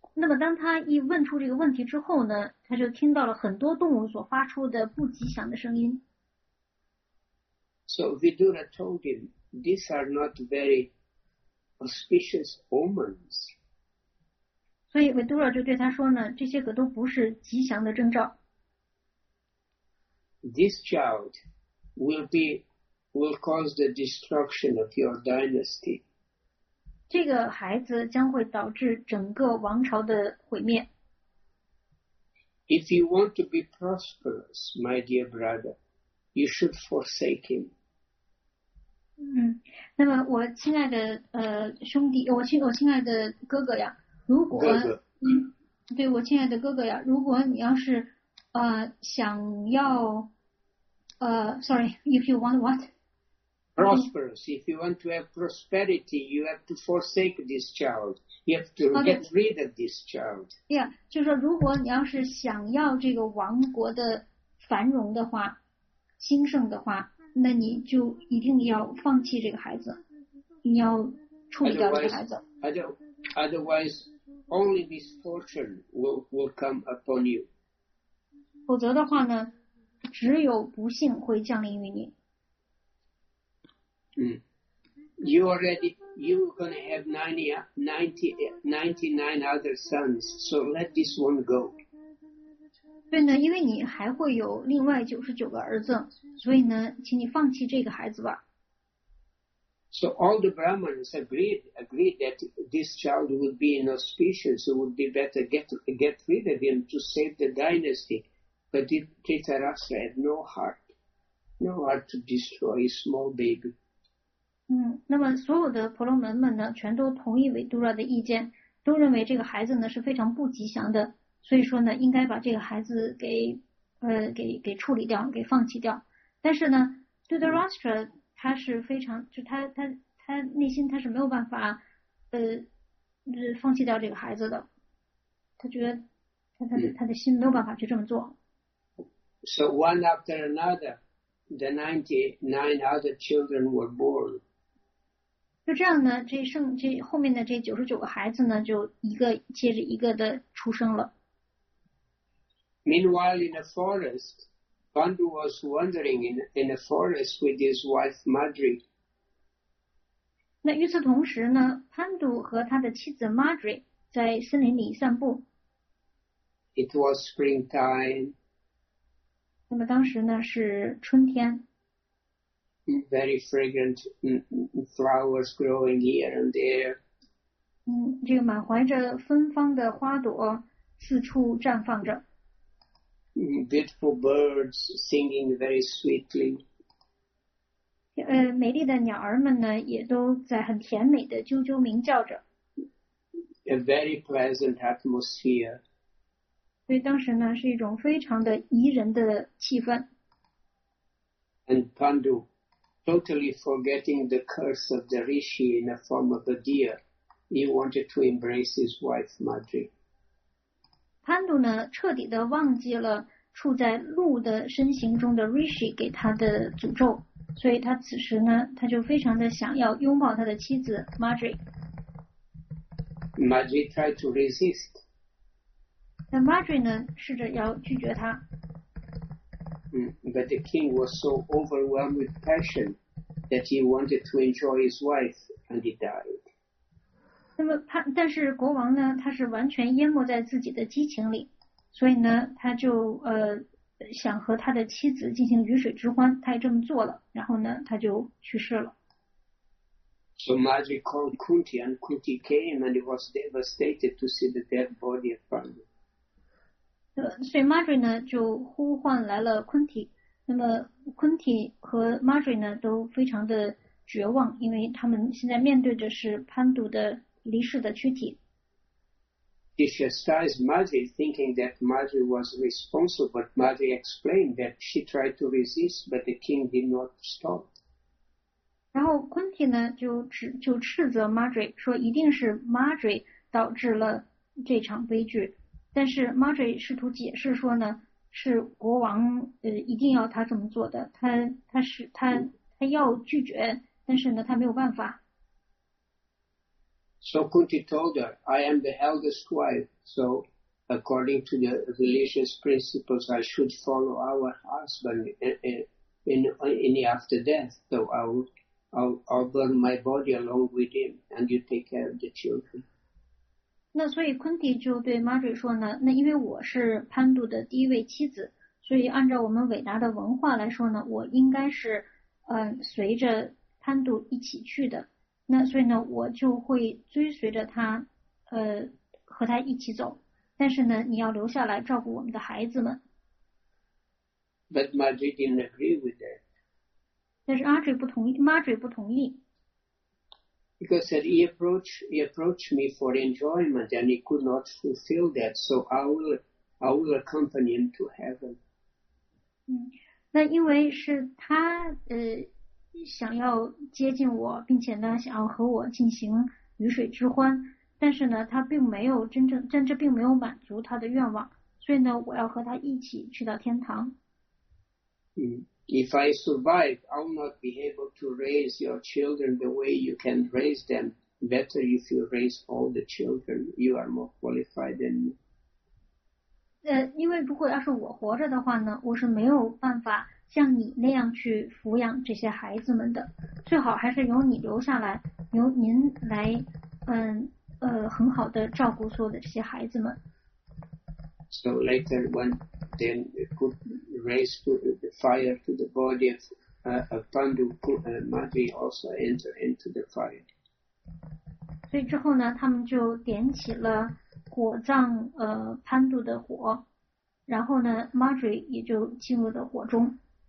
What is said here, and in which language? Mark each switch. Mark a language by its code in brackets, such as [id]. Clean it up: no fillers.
[zh] 那么当他一问出这个问题之后呢，他就听到了很多动物所发出的不吉祥的声音。 [en] So Vidura told him,These are not very auspicious omens. [zh] 所以维多拉就对他说呢，这些可都不是吉祥的征兆。 [en] This child will cause the destruction of your dynasty. [zh] 这个孩子将会导致整个王朝的毁灭。 [en] If you want to be prosperous, my dear brother, you should forsake him. [zh] 那么我亲爱的兄弟，我亲爱的哥哥呀，如果对我亲爱的哥哥呀，如果你要是想要 [en] sorry, if you want what? Prosperous. If you want to have prosperity, you have to forsake this child. You have to get rid of this child. [zh] Yeah, 就是说如果你要是想要这个王国的繁荣的话，兴盛的话。那你就一定要放弃这个孩子，你要处理掉这个孩子。 [en] Otherwise, only misfortune will come upon you. [zh] 否则的话呢，只有不幸会降临于你。 [en] You're going to have 99 other sons, so let this one go. [zh] 对呢，因为你还会有另外99个儿子，所以呢，请你放弃这个孩子吧。 [en] So all the Brahmins agreed that this child would be inauspicious, it would be better get rid of him to save the dynasty. But Dhritarashtra had no heart to destroy a small baby. [zh] 那么所有的婆罗门们呢，全都同意维杜拉的意见，都认为这个孩子呢是非常不吉祥的。所以说呢，应该把这个孩子给处理掉，给放弃掉。但是呢，对的 Rastra 他是非常，就他内心他是没有办法放弃掉这个孩子的，他觉得他的心没有办法去这么做。 [en] So one after another, the 99 other children were born. [zh] 就这样呢，这后面的这99个孩子呢，就一个接着一个的出生了。 [en] Meanwhile, in a forest, Pandu was wandering in a forest with his wife Madri. [zh] 那与此同时呢，潘杜和他的妻子 Madri 在森林里散步。 [en] It was springtime. [zh] 那么当时呢是春天。 [en] Very fragrant flowers growing here and there. [zh] 这个满怀着芬芳的花朵四处绽放着。 [en] Beautiful birds singing very sweetly. [zh] 美丽的鸟儿们呢，也都在很甜美的啾啾鸣叫着。 [en] A very pleasant atmosphere. [zh] 所以当时呢，是一种非常的宜人的气氛。 [en] and Pandu, totally forgetting the curse of the Rishi in the form of a deer, he wanted to embrace his wife, Madri. [zh] Pandu 呢，彻底的忘记了处在鹿的身形中的 Rishi 给他的诅咒，所以他此时呢，他就非常的想要拥抱他的妻子 Madri。 [en] Madri tried to resist. [zh] 那 Madri 呢，试着要拒绝他。 [en] But the king was so overwhelmed with passion that he wanted to enjoy his wife, and he died. [zh] 那么他，但是国王呢，他是完全淹没在自己的激情里，所以呢，他就想和他的妻子进行鱼水之欢，他也这么做了，然后呢，他就去世了。 [en] So Madri called Kunti, and Kunti came, and he was devastated to see the dead body of Pandu. [zh] 所以 Madri 呢就呼唤来了 Kunti， 那么 Kunti 和 Madri 呢都非常的绝望，因为他们现在面对的是 Pandu 的离世的躯体。 [en] He chastised Madri, thinking that Madri was responsible, but Madri explained that she tried to resist, but the king did not stop. [zh] 然后 Kunti 呢就斥责 Madri， 说一定是 Madri 导致了这场悲剧。但是 Madri 试图解释说呢，是国王一定要他这么做的，他要拒绝，但是呢他没有办法。 [en] So Kunti told her, I am the eldest wife, so according to the religious principles, I should follow our husband in after death, so I'll burn my body along with him, and you take care of the children. [zh] 那所以 Kunti 就对 Madri 说呢，那因为我是 Pandu 的第一位妻子，所以按照我们伟大的文化来说呢，我应该是随着 Pandu 一起去的。那所以呢，我就会追随着他，和他一起走。但是呢，你要留下来照顾我们的孩子们。 [en] But Madri didn't agree with that. [zh] 但是 Madri 不同意 ，Madri 不同意。 [en] Because that he approached me for enjoyment, and he could not fulfill that, so I will accompany him to heaven. [zh] 那因为是他想要接近我，并且呢想要和我进行鱼水之欢，但是呢他并没有但这并没有满足他的愿望，所以呢我要和他一起去到天堂。 [en] If I survive, I'll not be able to raise your children the way you can raise them. Better if you raise all the children, you are more qualified than me. [zh] 因为如果要是我活着的话呢，我是没有办法像你那样去抚养这些孩子们的，最好还是由你留下来，由您来，很好的照顾所有的这些孩子们。 [en] So later, when then could raise the fire to the body of Pandu, Madri also entered into the fire. [zh] 所以之后呢，他们就点起了火葬Pandu 的火，然后呢 ，Madri 也就进入了火中。